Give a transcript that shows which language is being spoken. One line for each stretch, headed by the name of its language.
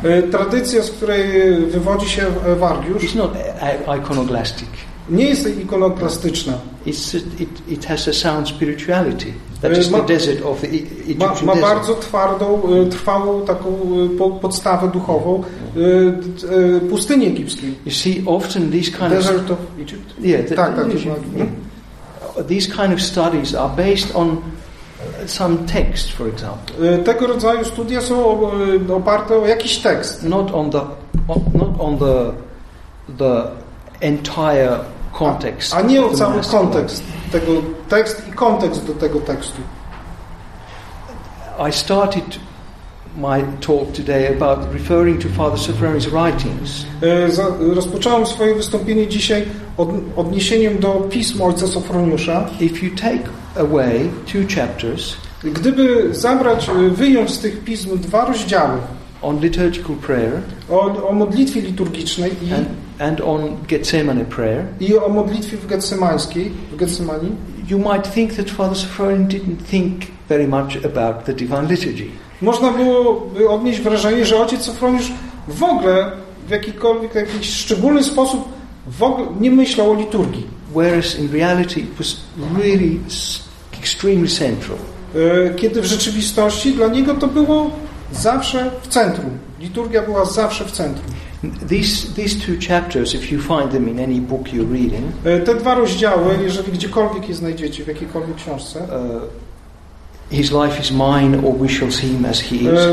Polish: Tradycja, z której wywodzi się Evagrius.
English: It's not iconoclastic.
Polish: Nie jest ikonoklastyczna.
English: It has a sound spirituality. That is the desert of the Egyptian desert.
Polish: Ma bardzo trwałą taką podstawę duchową pustyni egipskiej.
English: You see, often these kind desert of desert of Egypt. Yeah,
Polish: tak.
English: These kind of studies are based on some text, for example.
Polish: Tego rodzaju studia są oparte o jakiś tekst.
English: Not on the entire context.
Polish: A nie o cały kontekst tego, tekst i kontekst do tego tekstu.
English: I started my talk today about referring to Father Sofronie's writings.
Polish: Rozpocząłem swoje wystąpienie dzisiaj odniesieniem do pism ojca Sofroniusza.
English: If you take away two chapters,
Polish: gdyby zabrać, wyjąć z tych pism dwa rozdziały
English: on liturgical prayer,
Polish: o modlitwie liturgicznej i
English: and on Gethsemane prayer.
Polish: I o modlitwie w Getsemanii.
English: You might think that Father Sofronie didn't think very much about the divine liturgy.
Polish: Można byłoby odnieść wrażenie, że ojciec Sofroniusz w ogóle w jakiś szczególny sposób w ogóle nie myślał o liturgii.
English: Whereas in reality it was really extremely central.
Polish: Kiedy w rzeczywistości dla niego to było zawsze w centrum. Liturgia była zawsze w centrum.
English: These two chapters, if you find them in any book you're reading,
Polish: te dwa rozdziały, jeżeli gdziekolwiek je znajdziecie, w jakiejkolwiek książce,
English: His life is mine, or we shall see him as he is.